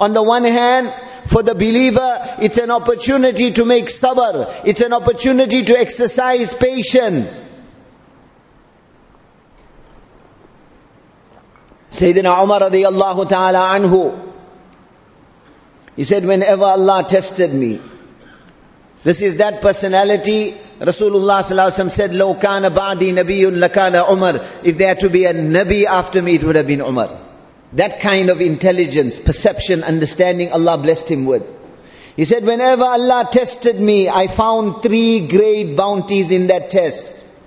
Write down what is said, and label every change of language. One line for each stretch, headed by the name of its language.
English: On the one hand, for the believer, it's an opportunity to make sabr, it's an opportunity to exercise patience. Sayyidina Umar radiallahu ta'ala anhu, he said, whenever Allah tested me, this is that personality.
Arabic: Rasulullah sallallahu alaihi wasallam said, لو كان بعدي نبي لكان عمر.
English: If there to be a Nabi after me, it would have been Umar. That kind of intelligence, perception, understanding Allah blessed him with. He said, whenever Allah tested me, I found three great bounties in that test.